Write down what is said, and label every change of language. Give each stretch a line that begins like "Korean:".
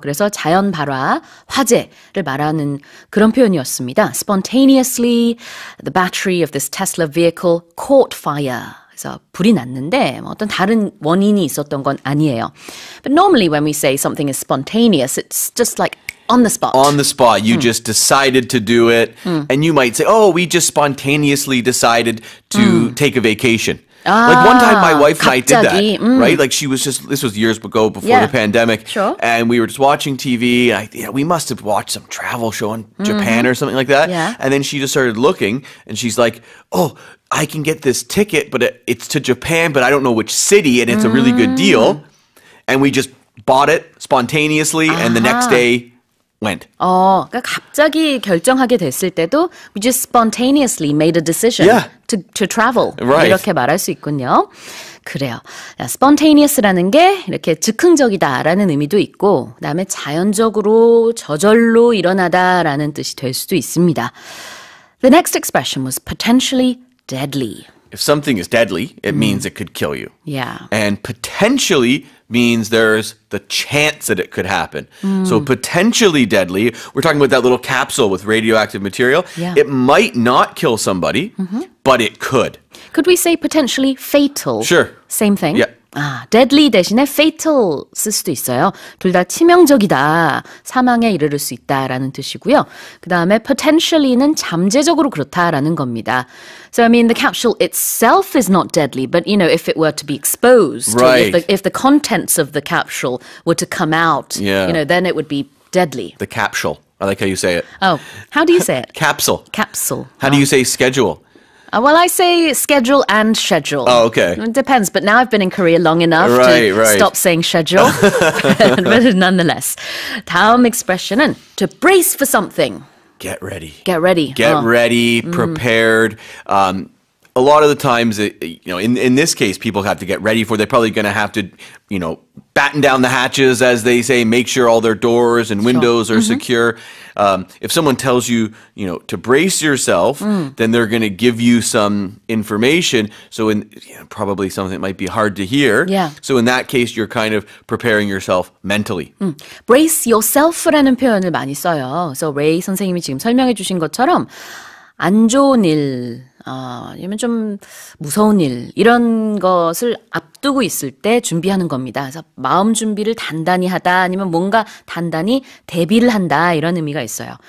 Korean: 그래서 자연 발화, 화재를 말하는 그런 표현이었습니다.
English: Spontaneously, the battery of this Tesla vehicle caught fire.
Korean: 그래서 불이 났는데 어떤 다른 원인이 있었던 건 아니에요.
English: But normally when we say something is spontaneous, it's just like on the spot. On the spot. You just decided to do it. And you might say, oh, we just spontaneously decided to take a vacation. Like one time my wife and I did that. Right? Like she was just, this was years ago before the pandemic. Sure. And we were just watching TV. We must have watched some travel show in Japan or something like that. Yeah. And then she just started looking and she's like, oh, I can get this ticket, but it's to Japan, but I don't know which city and it's a really good deal. And we just bought it spontaneously and the next day, went.
Korean: 그러니까 갑자기 결정하게 됐을 때도
English: we just spontaneously made a decision to travel. Right.
Korean: 이렇게 말할 수 있군요. 그래요. Spontaneous라는 게 이렇게 즉흥적이다라는 의미도 있고 그다음에 자연적으로 저절로 일어나다라는 뜻이 될 수도 있습니다.
English: The next expression was potentially deadly. If something is deadly, it means it could kill you. Yeah. And potentially means there's the chance that it could happen. So potentially deadly, we're talking about that little capsule with radioactive material. Yeah. It might not kill somebody, but it could. Could we say potentially fatal? Sure. Same thing. Yeah.
Korean: Deadly 대신에 fatal 쓸 수도 있어요. 둘 다 치명적이다, 사망에 이르를 수 있다라는 뜻이고요. 그 다음에 potentially는 잠재적으로 그렇다라는 겁니다.
English: So, I mean, the capsule itself is not deadly, but, you know, if it were to be exposed, if the contents of the capsule were to come out, you know, then it would be deadly. The capsule. I like how you say it. Oh, how do you say it? Capsule. Capsule. How do you say schedule? Well, I say schedule and schedule. Oh, okay. It depends, but now I've been in Korea long enough to stop saying schedule. But nonetheless, 다음 expression은 to brace for something. Get ready. Get ready. Get ready, prepared. A lot of the times, you know, in this case, people have to get ready for, they're probably going to have to, you know, batten down the hatches, as they say, make sure all their doors and windows are secure. If someone tells you, you know, to brace yourself, then they're going to give you some information. So in, you know, probably something that might be hard to hear. Yeah. So in that case, you're kind of preparing yourself mentally. Brace yourself
Korean: 라는 표현을 많이 써요. So Ray 선생님이 지금 설명해 주신 것처럼 안 좋은 일, 아니면 좀 무서운 일 이런 것을 앞두고 있을 때 준비하는 겁니다. 그래서 마음 준비를 단단히 하다 아니면 뭔가 단단히 대비를 한다 이런 의미가 있어요.